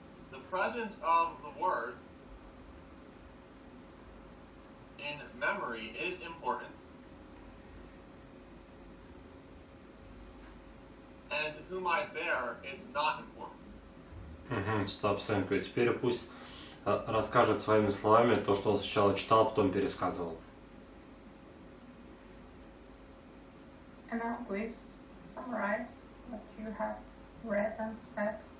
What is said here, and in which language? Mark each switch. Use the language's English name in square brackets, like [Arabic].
[English] The presence of the word in memory is important. And to whom I bear, it's not important. [Russian] Стоп, Сэмпи, теперь пусть расскажет своими словами то, что он сначала читал, потом пересказывал. [English] And now please summarize what you have read and said.